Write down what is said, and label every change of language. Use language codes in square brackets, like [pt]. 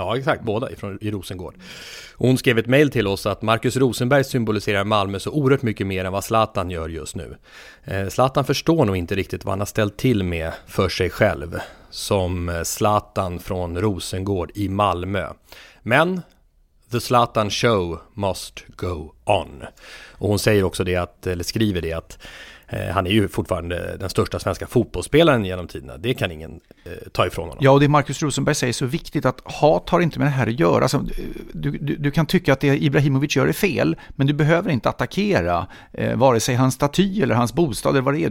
[sv] Ja, exakt, båda ifrån i Rosengård. Hon skrev ett mejl till oss att Marcus Rosenberg symboliserar Malmö så oerhört mycket mer än vad Zlatan gör just nu. Zlatan förstår nog inte riktigt vad han har ställt till med för sig själv som Zlatan från Rosengård i Malmö. [en] Men the Zlatan show must go on. [sv] Och hon säger också det att, eller skriver det att han är ju fortfarande den största svenska fotbollsspelaren genom tiderna. Det kan ingen ta ifrån honom. Ja, och det Marcus Rosenberg säger är så viktigt att hat har inte med det här att göra. Alltså, du kan tycka att det Ibrahimovic gör är fel, men du behöver inte attackera vare sig hans staty eller hans bostad eller vad det är.